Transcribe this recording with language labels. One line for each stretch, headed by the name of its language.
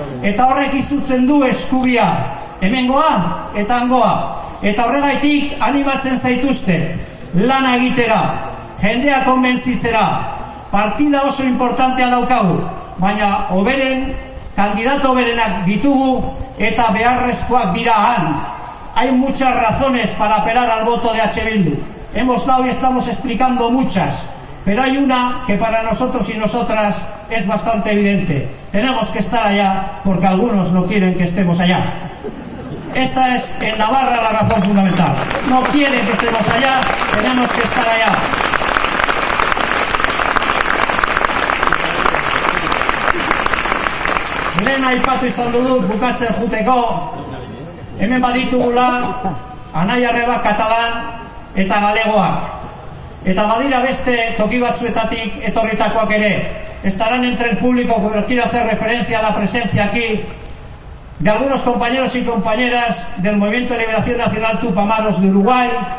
Basque: Eta horrek izutzen du eskubia, hemengoa eta hangoa, eta horregaitik animatzen zaituzte, lana egitera, jendea konbentzitzera, partida oso importantea daukagu, baina oberen, kandidato oberenak ditugu eta beharrezkoak dira han.
Spanish: Hay muchas razones para apelar al voto de H. Bildu. Hemos dado y estamos explicando muchas, pero hay una que para nosotros y nosotras es bastante evidente. Tenemos que estar allá porque algunos no quieren que estemos allá. Esta es en Navarra la razón fundamental. No quieren que estemos allá, tenemos que estar allá.
Basque: Lehen aipatu izan dugu bukatzen juteko, hemen baditugula anai arreba katalan eta galegoak. Eta badira beste toki batzuetatik etorritakoak ere.
Spanish: Estarán entre el público, pero quiero hacer referencia a la presencia aquí de algunos compañeros y compañeras del Movimiento de Liberación Nacional Tupamaros de Uruguay.